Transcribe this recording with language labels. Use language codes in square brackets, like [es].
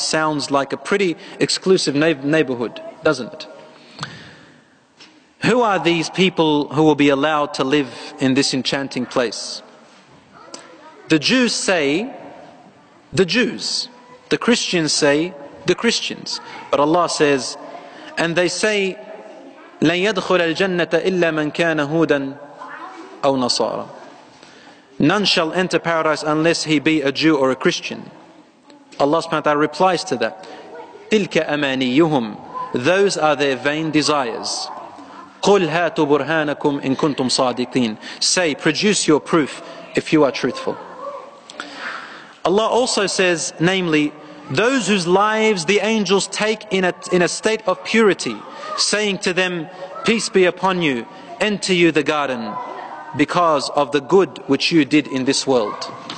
[en] Sounds like a pretty exclusive neighborhood, doesn't it? Who are these people who will be allowed to live in this enchanting place? The Jews say, the Jews. The Christians say, the Christians. But Allah says, and they say, [ar] لَنْ يَدْخُلَ الْجَنَّةَ إِلَّا مَنْ كَانَ هُودًا أَوْ نَصَارًا. [en] None shall enter paradise unless he be a Jew or a Christian. Allah subhanahu wa ta'ala replies to that. [ar] تِلْكَ أَمَانِيُّهُمْ. [en] Those are their vain desires. [ar] قُلْ هَاتُ بُرْهَانَكُمْ إِن كُنْتُمْ صَادِقِينَ. [en] Say, produce your proof if you are truthful. Allah also says, namely, those whose lives the angels take in a state of purity, saying to them, peace be upon you, enter you the garden because of the good which you did in this world.